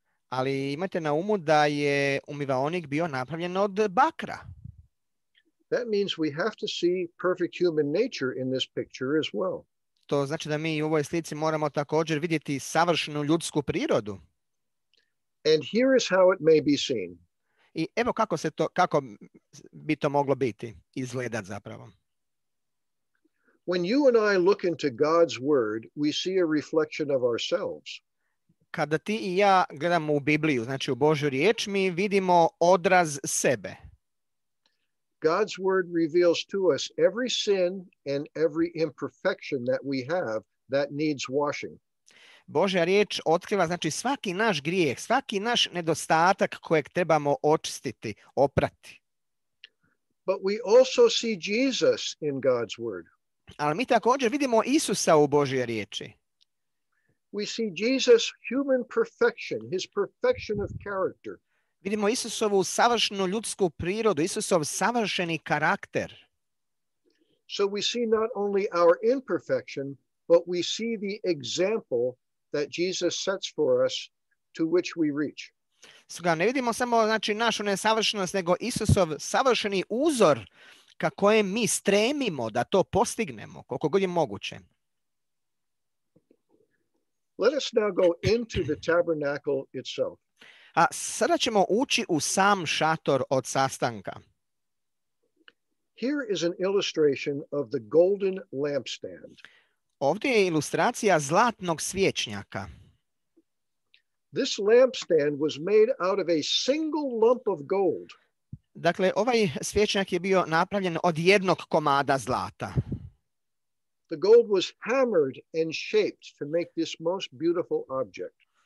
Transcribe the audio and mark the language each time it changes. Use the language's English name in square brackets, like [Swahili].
[Croatian] Ali imajte na umu da je umivaonik bio napravljen od bakra. [English] That means we have to see perfect human nature in this picture as well. [Croatian] To znači da mi u ovoj slici moramo također vidjeti savršenu ljudsku prirodu. [English] And here is how it may be seen. [Croatian] I evo kako se to, kako bi to moglo biti, izgledat zapravo. [English] When you and I look into God's word, we see a reflection of ourselves. [Croatian] Kada ti i ja gledamo u Bibliju, znači u Božju riječ, mi vidimo odraz sebe. [English] God's word reveals to us every sin and every imperfection that we have that needs washing. [Croatian] Božja riječ otkriva znači svaki naš grijeh, svaki naš nedostatak kojeg trebamo očistiti, oprati. [English] But we also see Jesus in God's word. [Croatian] Ali mi također vidimo Isusa u Božjoj riječi. [English] We see Jesus human perfection, his perfection of character. [Croatian] Vidimo Isusovu savršenu ljudsku prirodu, Isusov savršeni karakter. [English] So we see not only our imperfection, but we see the example that Jesus sets for us to which we reach. [Croatian] Stoga ne vidimo samo znači našu nesavršenost, nego Isusov savršeni uzor ka kojem mi stremimo da to postignemo koliko god je moguće. [English] Let us now go into the tabernacle itself. [Croatian] A sada ćemo ući u sam šator od sastanka. [English] Here is an illustration of the golden lampstand. [Croatian] Ovdje je ilustracija zlatnog svjećnjaka. [English] This lampstand was made out of a single lump of gold. [Croatian] Dakle, ovaj svjećnjak je bio napravljen od jednog komada zlata. [English] The gold was hammered and shaped to make this most beautiful object.